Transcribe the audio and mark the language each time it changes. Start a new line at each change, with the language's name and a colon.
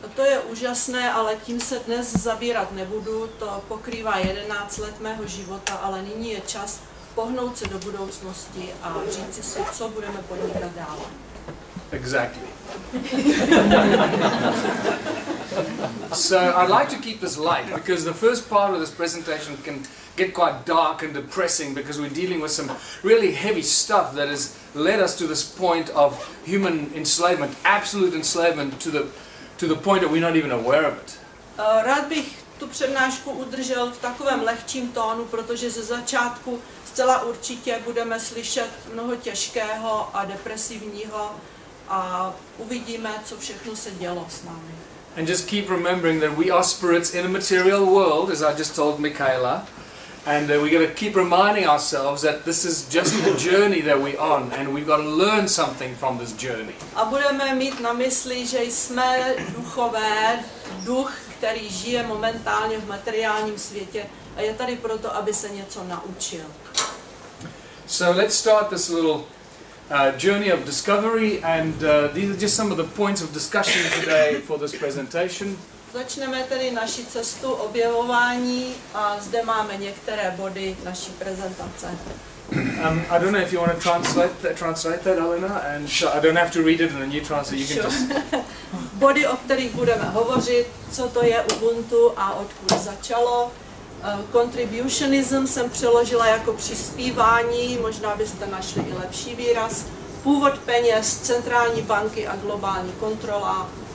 Czech: To je úžasné, ale tím se dnes zabírat nebudu. To pokrývá 11 let mého života, ale nyní je čas pohnout se do budoucnosti a říct si, co budeme podnikat dál.
English: Exactly. So I'd like to keep this light, because the first part of this presentation can get quite dark and depressing, because we're dealing with some really heavy stuff that has led us to this point of human enslavement, absolute enslavement, to the point that we're not even aware of it.
Czech: Rád bych tu přednášku udržel v takovém lehčím tónu, protože ze začátku zcela určitě budeme slyšet mnoho těžkého a depresivního a uvidíme, co všechno se dělo s námi.
English: And just keep remembering that we are spirits in a material world, as I just told Michaela. And we're going to keep reminding ourselves that this is just the journey that we're on, and we've got to learn something from this journey.
Czech: A budeme mít na mysli, že jsme duchové, duch, který žije momentálně v materiálním světě, a je tady proto, aby se něco naučil.
English: So let's start this little journey of discovery, and these are just some of the points of discussion today for this presentation.
Czech: Začneme tedy naši cestu objevování a zde máme některé body naší prezentace.
English: I don't know if you want to translate that, Elena, and I don't have to read it in a new translation. You can just
Czech: body, o kterých budeme hovořit, co to je Ubuntu a odkud začalo. Contributionism jsem přeložila jako přispívání, možná byste našli i lepší výraz. Původ peněz, centrální banky a globální kontrola.